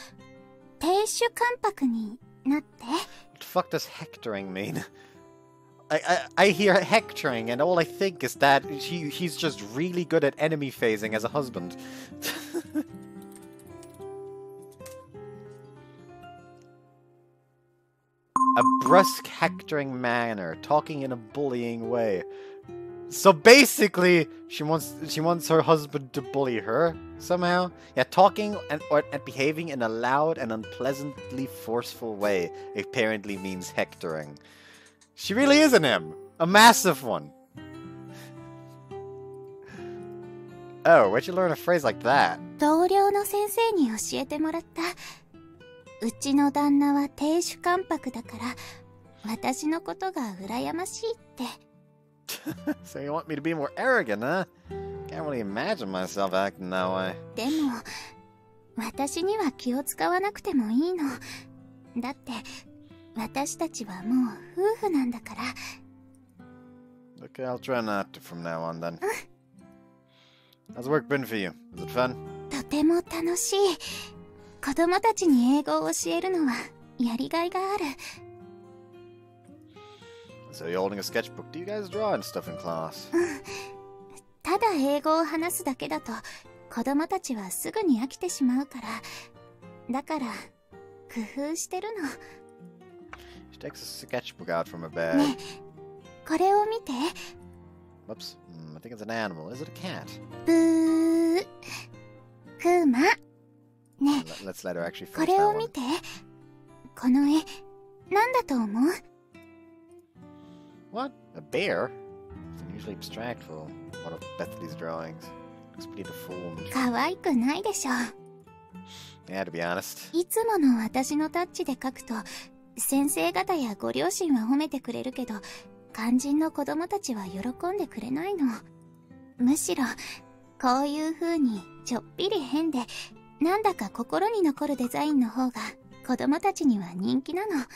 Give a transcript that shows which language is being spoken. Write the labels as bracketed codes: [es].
[ja] かな。少し気を使いすぎる。それはもちろんいいところだけど、でも私に対してはもうそんなに気を使わないで。もっと亭主関白になって。 [en] What the fuck does hectoring mean? I hear hectoring and all I think is that he's just really good at enemy phasing as a husband. A brusque, hectoring manner, talking in a bullying way. So basically, she wants her husband to bully her somehow. Yeah, talking and behaving in a loud and unpleasantly forceful way apparently means hectoring. She really is an M, a massive one. Oh, where'd you learn a phrase like that? [ja] 同僚の先生に教えてもらった。うちの旦那は亭主関白だから、私のことが羨ましいって。 [en] So you want me to be more arrogant, huh? Can't really imagine myself acting that way. [ja] でも、私には気を使わなくてもいいの。だって私たちはもう夫婦なんだから。 [en] Okay, I'll try not to from now on then. How's work been for you? Is it fun? [ja] とても楽しい。子供たちに英語を教えるのはやりがいがある。 [en] So you're holding a sketchbook. Do you guys draw and stuff in class? [ja] ただ英語を話すだけだと子供たちはすぐに飽きてしまうから、だから工夫してるの。 [en] She takes a sketchbook out from her bag. [ja] ね、これを見て。 [en] Oops, I think it's an animal. Is it a cat? [ja] ブークマ。ね、 [en] Let's let her actually finish [ja] これを見て。この絵、なんだと思う？ [en] What? A bear? It's unusually abstract for one of Bethany's drawings. Looks pretty deformed. [ja] かわいくないでしょう。 [en] Yeah, to be honest. [ja] いつもの私のタッチで描くと、先生方やご両親は褒めてくれるけど、肝心の子供たちは喜んでくれないの。むしろ、こういう風にちょっぴり変で、なんだか心に残るデザインの方が子供たちには人気なの。